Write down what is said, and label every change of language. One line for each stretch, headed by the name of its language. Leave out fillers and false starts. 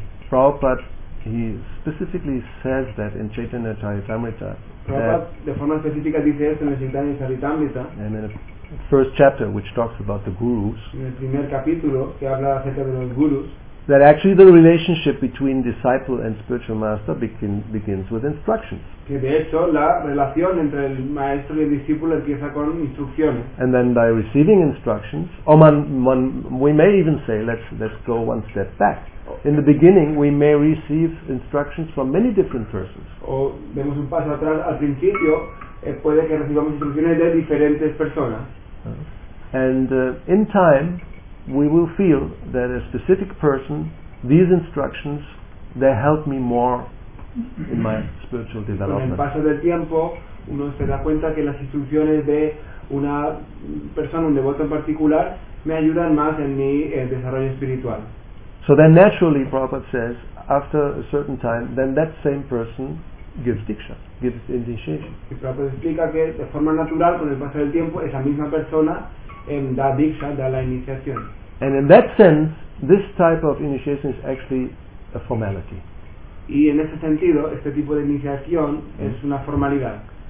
English: Prabhupada, he specifically says that in Chaitanya Charitamrita.
Spanish: Prabhupada, de forma específica, dice esto en el Chaitanya Charitamrita.
English: And in the first chapter, which talks about the gurus.
Spanish: En el primer capítulo, que habla acerca de los gurus.
English: That actually the relationship between disciple and spiritual master begins with instructions.
Spanish: Que de hecho la relación entre el maestro y el discípulo empieza con instrucciones.
English: And then by receiving instructions, or we may even say, let's go one step back. In the beginning, we may receive instructions from many different persons.
Spanish: O demos un paso atrás al principio, puede que recibamos instrucciones de diferentes personas.
English: In time, we will feel that a specific person, these instructions, they help me more in my spiritual development.
Spanish: Con el paso del tiempo, uno se da cuenta que las instrucciones de una persona, un devoto en particular, me ayudan más en mi desarrollo espiritual.
English: So then naturally, Prabhupada says, after a certain time, then that same person gives diksha, gives initiation.
Spanish: Y Prabhupada explica que de forma natural, con el paso del tiempo, esa misma persona da diksha, da la iniciación.
English: And in that sense, this type of initiation is actually a formality.
Spanish: Y en ese sentido, este tipo de iniciación es una formalidad.